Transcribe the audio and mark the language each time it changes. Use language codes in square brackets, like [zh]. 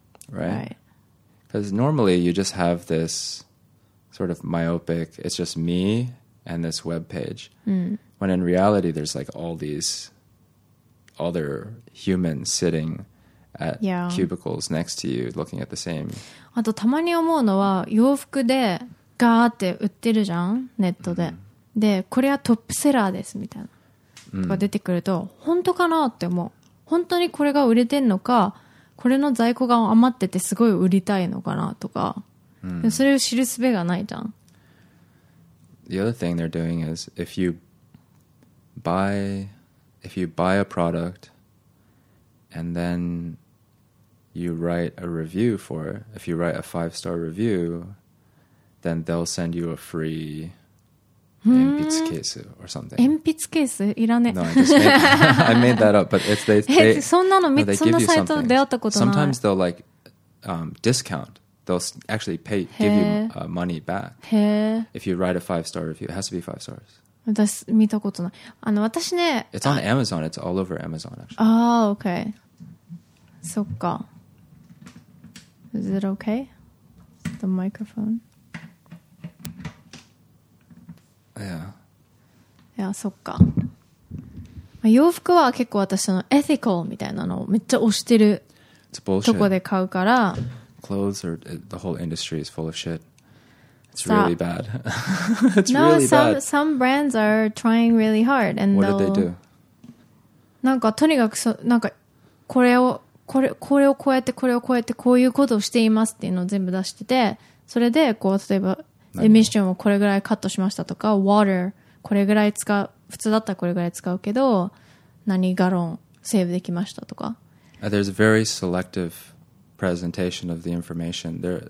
[en] Right. Because right. normally you just have this sort of myopic, it's just me and this web page. Mm. When in reality, there's like all these other humans sitting at yeah. cubicles next to you looking at the same. [ja] あとたまに思うのは洋服でガーって売ってるじゃんネットで、mm. でこれはトップセラーですみたいな、mm. とか出てくると本当かなって思う本当にこれが売れてんのかこれの在庫が余っててすごい売りたいのかなとか、mm. でそれを知る術がないじゃん [en] The other thing they're doing is if you buy a product and then you write a review for it, if you write a 5-star review, then they'll send you a free 鉛筆 case or something. [ja] 鉛筆 case? いらね。 [en] No, I made that up, but if they [ja] そんなの、そんなサイト出会ったことない。 [en] Sometimes they'll like discount. They'll actually pay, give you money back. [ja] へえ。 [en] If you write a 5-star review, it has to be 5 stars. [ja] 私見たことない。あの私ね、 [en] It's on Amazon. It's all over Amazon, actually. [ja] ああ、OK。そっか。 [en] Is it OK? The microphone? Yeah. [ja] いや、そっか、まあ。洋服は結構私のエティカルみたいなのをめっちゃ推してるとこで買うから。 [en] Clothes are, the whole industry is full of shit. It's really bad. It's no, really some, bad. Some brands are trying really hard. And what did they do? [ja] なんかとにかくそなんかこれをこれこれをこうやってこれをこうやってこういうことをしていますっていうのを全部出しててそれでこう例えばエミッションをこれぐらいカットしましたとか water これぐらい使う普通だったらこれぐらい使うけど何ガロンセーブできましたとか [en] There's a very selective presentation of the information.